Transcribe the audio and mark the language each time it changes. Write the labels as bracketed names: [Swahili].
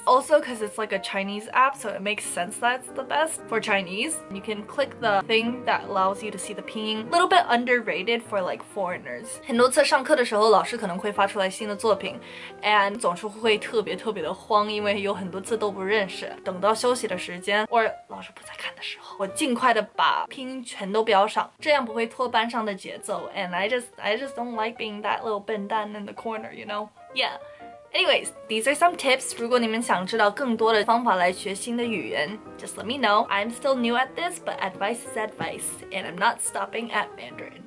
[English] Also, because it's like a Chinese app, so it makes sense that it's the best for Chinese. You can click the thing that allows you to see the pinyin. A little bit underrated for like foreigners. [Chinese] 很多次上课的时候，老师可能会发出来新的作品， and 总是会特别特别的慌，因为有很多字都不认识。等到休息的时间 ，or 老师不在看的时候，我尽快的把拼音全都标上，这样不会拖班上的节奏。 [English] And I just don't like being that little 笨蛋 in the corner, you know. Yeah. Anyways, these are some tips. [Chinese] 如果你们想知道更多的方法来学新的语言 [English] just let me know. I'm still new at this, but advice is advice, and I'm not stopping at Mandarin.